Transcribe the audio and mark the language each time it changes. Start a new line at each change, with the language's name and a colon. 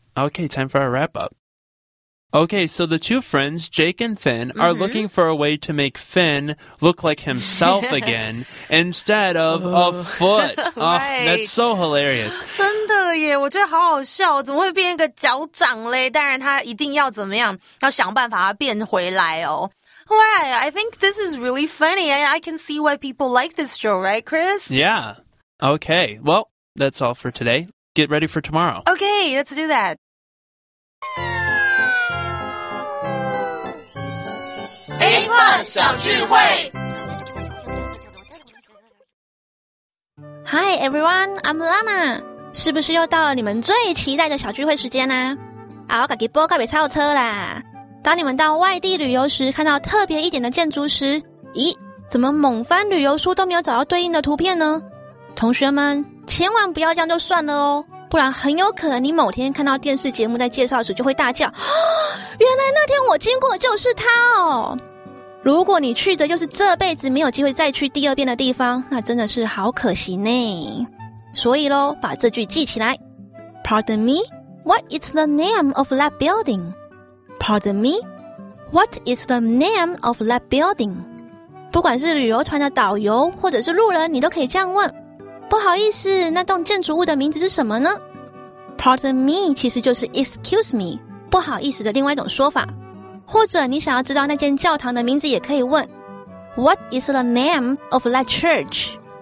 English: Okay, time for a wrap up. Okay, so the two friends, Jake and Finn, are looking for a way to make Finn look like himself again instead of a foot. Right. Oh, that's so hilarious.
Chinese: 真的耶，我觉得好好笑，怎么会变一个脚掌嘞？当然他一定要怎么样，要想办法变回来哦。
English: Right, I think this is really funny and I can see why people like this show, right, Chris? Yeah. Okay, well, that's all for today. Get ready for tomorrow. Okay, let's do that. Hi everyone, I'm Lana.
Chinese: 是不是又到了你们最期待的小聚会时间啦？啊，我自己播告别操车啦。当你们到外地旅游时，看到特别一点的建筑时，咦，怎么猛翻旅游书都没有找到对应的图片呢？同学们，千万不要这样就算了哦，不然很有可能你某天看到电视节目在介绍时就会大叫，原来那天我经过就是他哦。如果你去的就是这辈子没有机会再去第二遍的地方，那真的是好可惜呢。所以咯，把这句记起来。
English: Pardon me, what is the name of that building? Pardon me, what is the name of that building?
Chinese: 不管是旅游团的导游或者是路人，你都可以这样问。不好意思，那栋建筑物的名字是什么呢？
English: Pardon me
Chinese: 其实就是
English: excuse me,
Chinese: 不好意思的另外一种说法。或者你想要知道那间教堂的名字也可以问
English: What is the name of that church?